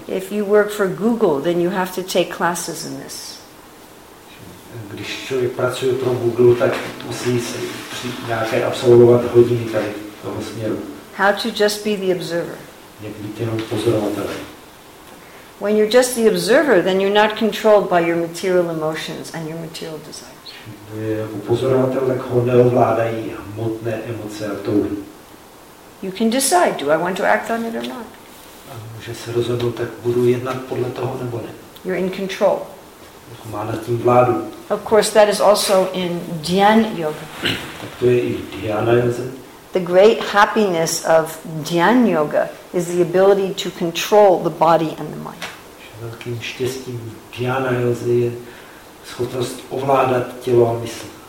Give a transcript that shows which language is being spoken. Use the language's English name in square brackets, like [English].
[English] If you work for Google, then you have to take classes in this. [Czech] Když člověk pracuje pro Google, tak musí se nějaké absolvovat hodiny tady toho směru. [English] How to just be the observer? [Czech] Jak být jenom pozorovatelem. [English] When you're just the observer, then you're not controlled by your material emotions and your material desires. [Czech] Pozorovatel, tak ho neovládají hmotné emoce a touhy. [English] You can decide, do I want to act on it or not? [Czech] A může se rozhodnout, tak budu jednat podle toho nebo ne. [English] You're in control. [Czech] Má nad tím vládu. [English] Of course, that is also in Dhyan yoga. [Czech] Tak to je i Dhyana yoga. [English] The great happiness of Dhyan yoga is the ability to control the body and the mind. [Czech] Velkým štěstím Dhyana yoga je schopnost ovládat tělo a mysl.